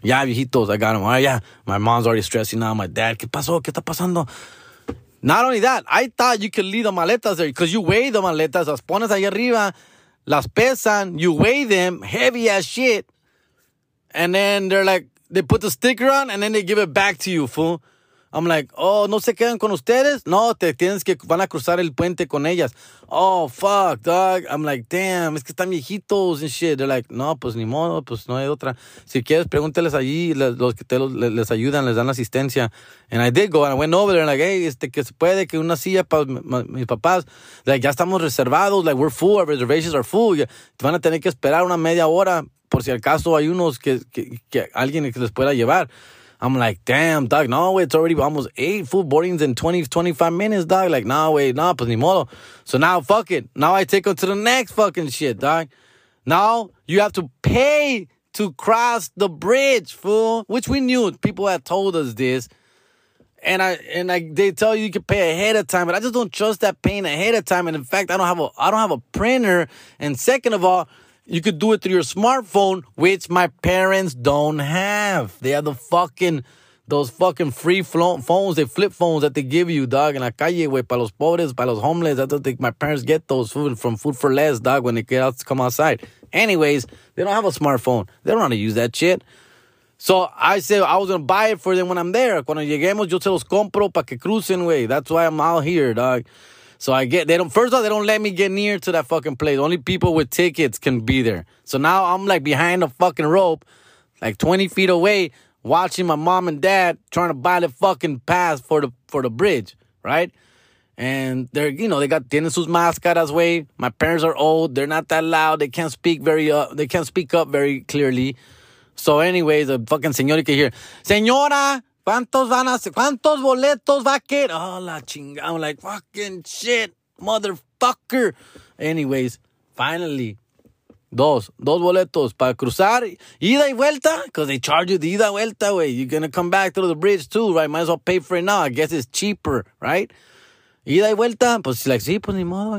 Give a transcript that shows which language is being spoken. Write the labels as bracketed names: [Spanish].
[English] Yeah, viejitos, I got them. All right, yeah. My mom's already stressing out. My dad, [Spanish] ¿qué pasó? ¿Qué está pasando? [English] Not only that, I thought you could leave the maletas there because you weigh the maletas. [Spanish] Las pones ahí arriba. Las pesan. [English] You weigh them. Heavy as shit. And then they're like, they put the sticker on and then they give it back to you, fool. I'm like, oh, [Spanish] ¿no se quedan con ustedes? No, te tienes que, van a cruzar el puente con ellas. [English] Oh, fuck, dog. I'm like, damn, [Spanish] es que están viejitos [English] and shit. They're like, [Spanish] no, pues ni modo, pues no hay otra. Si quieres, pregúnteles allí, los que te les ayudan, les dan asistencia. [English] And I did go, and I went over there, and like, hey, [Spanish] que se puede, que una silla para mis papás. [English] Like, [Spanish] ya estamos reservados, [English] like, we're full, our reservations are full. [Spanish] Te van a tener que esperar una media hora, por si al caso hay unos que alguien que les pueda llevar. [English] I'm like, damn, dog, no, it's already almost 8 full boardings in 20, 25 minutes, dog. Like, no, wait, [Spanish] no, pues ni modo. [English] So now, fuck it. Now I take them to the next fucking shit, dog. Now you have to pay to cross the bridge, fool, which we knew. People had told us this. And I, they tell you can pay ahead of time, but I just don't trust that paying ahead of time. And in fact, I don't have a printer. And second of all, you could do it through your smartphone, which my parents don't have. They have those fucking free phones, the flip phones that they give you, dog. [Spanish] En la calle, güey, para los pobres, para los homeless. [English] I don't think my parents get those from Food for Less, dog, when they get out to come outside. Anyways, they don't have a smartphone. They don't want to use that shit. So I said I was going to buy it for them when I'm there. [Spanish] Cuando lleguemos, yo se los compro para que crucen, güey. [English] That's why I'm out here, dog. So I get, they don't, first of all, they don't let me get near to that fucking place. Only people with tickets can be there. So now I'm like behind the fucking rope, like 20 feet away, watching my mom and dad trying to buy the fucking pass for the bridge, right? And they're, you know, they got, [Spanish] tienen sus máscaras, [English] way. My parents are old. They're not that loud. They can't speak up very clearly. So anyways, the fucking señorita here, señora. [Spanish] ¿Cuántos boletos va a quedar? Oh, la chingada. [English] I'm like, fucking shit, motherfucker. Anyways, finally, [Spanish] dos boletos para cruzar, ida y vuelta, [English] because they charge you the [Spanish] ida y vuelta, güey. [English] You're going to come back through the bridge too, right? Might as well pay for it now. I guess it's cheaper, right? [Spanish] Ida y vuelta, pues [English] she's like, [Spanish] sí, pues ni modo.